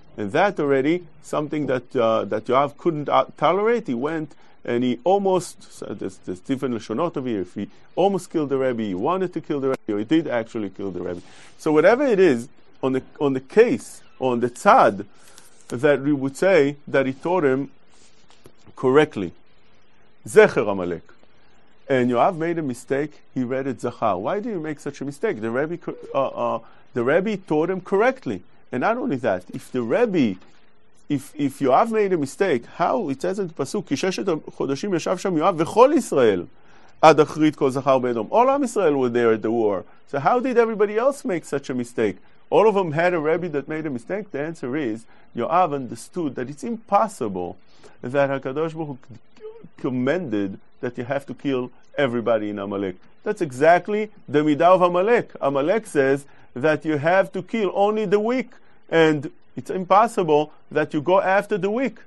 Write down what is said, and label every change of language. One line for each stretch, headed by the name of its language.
English: And that already, something that Yoav couldn't tolerate, he went and he almost, so there's different Lashonot of here, if he almost killed the Rebbe, he wanted to kill the Rebbe, or he did actually kill the Rebbe. So whatever it is, on the case, on the tzad, that we would say that he taught him correctly. Zecher Amalek. And Yoav made a mistake, he read it Zachar. Why did he make such a mistake? The Rebbe taught him correctly. And not only that, if the Rebbe, if Yoav made a mistake, how, it says in the Pasuk,
Hebrew: כי ששת חודשים ישב שם יואב וכל ישראל עד אחרית כל זכר באדום.
English: All of Israel were there at the war. So how did everybody else make such a mistake? All of them had a Rebbe that made a mistake? The answer is, Yoav understood that it's impossible that HaKadosh Baruch commanded that you have to kill everybody in Amalek. That's exactly the Midah of Amalek. Amalek says that you have to kill only the weak, and it's impossible that you go after the weak.